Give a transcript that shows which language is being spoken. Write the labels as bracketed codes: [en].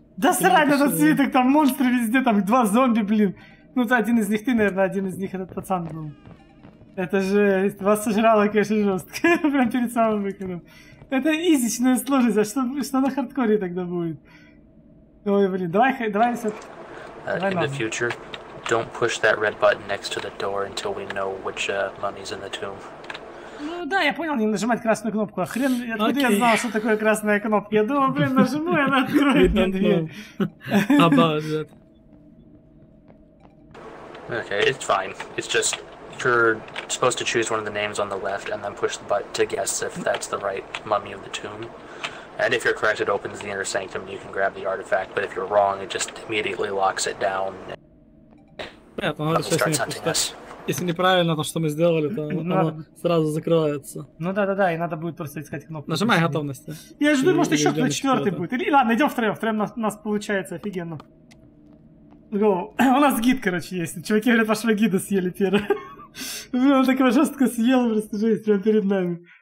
[ru] Да срать на этот свиток, там монстры везде, там два зомби, блин. Ну, то один из них ты, наверное, один из них этот пацан был. Это же вас сожрало, конечно, жестко. Прям перед самым выходом. Это изичная сложность, а что на хардкоре тогда будет? Ой, блин, давай сет. [en] In the future, don't push that red button next to the door until we know which mummy's in the tomb. [ru] Ну да, я понял, не нажимать красную кнопку, а хрен, откуда okay. Я знал, что такое красная кнопка? Я думал, блин, нажму, и она откроет мне дверь. Обожает. [en] Okay, it's fine. It's just, you're supposed to choose one of the names on the left, and then push the button to guess if that's the right mummy of the tomb. And if you're correct, it opens the inner sanctum, and you can grab the artifact, but if you're wrong, it just immediately locks it down. Yeah, but it starts hunting us. [ru] Если неправильно то, что мы сделали, то оно сразу закрывается. Ну да, и надо будет просто искать кнопку. Нажимай готовности. Я жду, может, еще кто-то четвертый будет. Или ладно, идем втроем нас получается, офигенно. Гоу. У нас гид, короче, есть. Чуваки говорят, вашего гида съели первый. Он такого жестко съел, просто жесть, прямо перед нами.